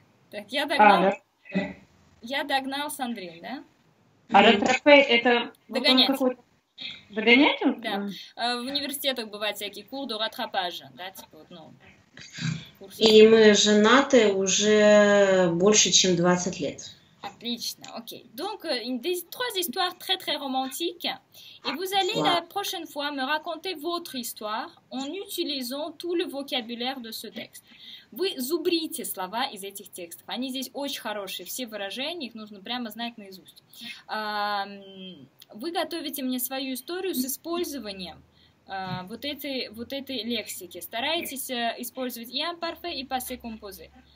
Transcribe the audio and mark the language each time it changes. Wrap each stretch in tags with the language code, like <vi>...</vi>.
<ru>Так, я догнал. Я догнал с Андреем, да? А ретропе это... Догонять. Догонять? Да. В университетах бывают всякие курсы до ретропажа, да, типа вот, ну... И мы женаты уже больше, чем 20 лет. Отлично, окей.</ru> <fr>Donc, des trois histoires très très romantiques. Et vous allez la prochaine fois me raconter votre histoire en utilisant tout le vocabulaire de ce texte.</fr> <ru>Вы зубрите слова из этих текстов. Они здесь очень хорошие. Все выражения, их нужно прямо знать наизусть. Вы готовите мне свою историю с использованием вот этой лексики. Старайтесь использовать и ампарфе, и пассе композе.</ru>